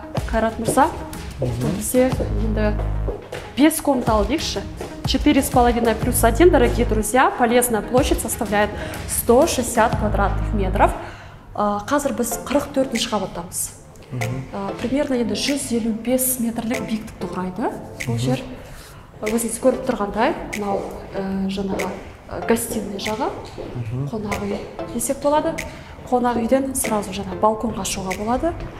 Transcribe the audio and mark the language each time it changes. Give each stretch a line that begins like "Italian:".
Kazakh: Қайрат Мұрса, бізде енді 5 комнаталы дейікші.
Russian: 4,5+1, дорогие друзья, полезная площадь составляет 160 квадратных метров.
Kazakh: Қазір біз 44-ші қабаттамыз. Примерно енді 155 метрлік биіктікті құрайды. Бұл жер, өзіңіз көріп тұрғандай, мынау жаңағы гостиный жағы, қонақ үй десек болады. Қонақ үйден сразу жаңа балконға шығуға болады.